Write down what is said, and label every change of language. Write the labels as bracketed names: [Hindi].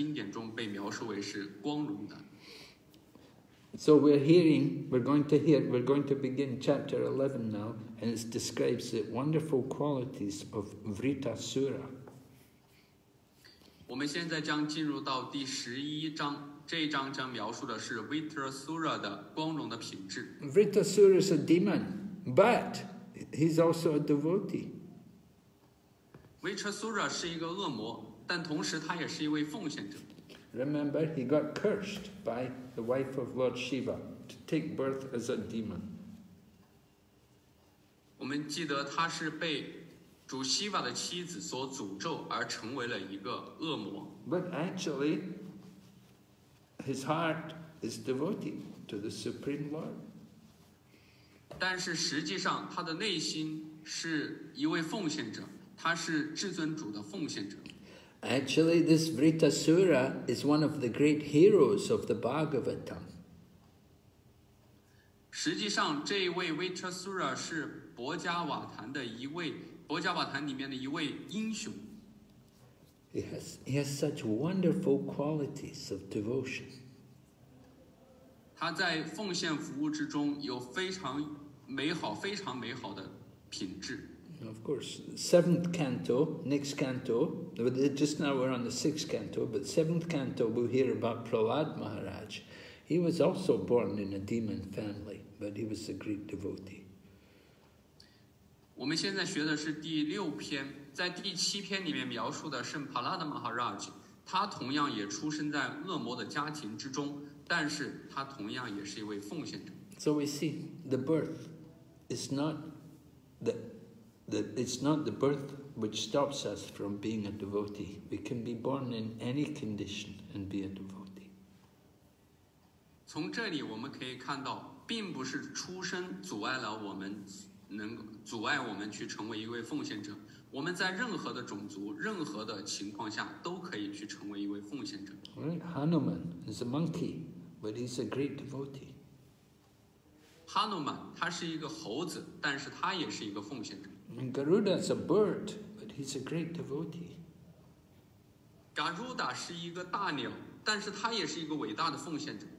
[Chinese] 这两种死法在经典中被描述为是光荣的。 [English] So we're going to begin chapter 11 now, and it describes the wonderful qualities of Vritasura. [Chinese] 我们现在将进入到第十一章，这一章将描述的是 Vritasura 的光荣的品质。 [English] Vritasura is a demon, but he's also a devotee. [Chinese] Vritasura 是一个恶魔，但同时他也是一位奉献者。 [English] Remember, he got cursed by the wife of Lord Shiva to take birth as a demon. [Chinese] 我们记得他是被主希瓦的妻子所诅咒而成为了一个恶魔。 [English] But actually, his heart is devoted to the Supreme Lord. [Chinese] 但是实际上他的内心是一位奉献者，他是至尊主的奉献者。 [English] Actually, this Vritasura is one of the great heroes of the Bhagavatam. [Chinese] 实际上，这一位 Vritasura 是博伽瓦坛的一位，博伽瓦坛里面的一位英雄。 [English] He has such wonderful qualities of devotion. [Chinese] 他在奉献服务之中有非常美好、非常美好的品质。 [English] Of course, seventh canto, next canto, just now we're on the sixth canto, but seventh canto we'll hear about Prahlad Maharaj. He was also born in a demon family, but he was a great devotee. [Chinese] 我们现在学的是第六篇，在第七篇里面描述的圣帕拉达马哈拉吉，他同样也出生在恶魔的家庭之中，但是他同样也是一位奉献者。 [English] So we see the birth is not the... It's not the birth which stops us from being a devotee. We can be born in any condition and be a devotee. [Chinese] 从这里我们可以看到，并不是出生阻碍了我们能阻碍我们去成为一位奉献者。我们在任何的种族、任何的情况下都可以去成为一位奉献者。 [English] Hanuman is a monkey, but he's a great devotee. [Chinese] Hanuman, 他是一个猴子，但是他也是一个奉献者。 [English] And Garuda is a bird, but he's a great devotee. Garuda is a big bird, but he's also a great devotee.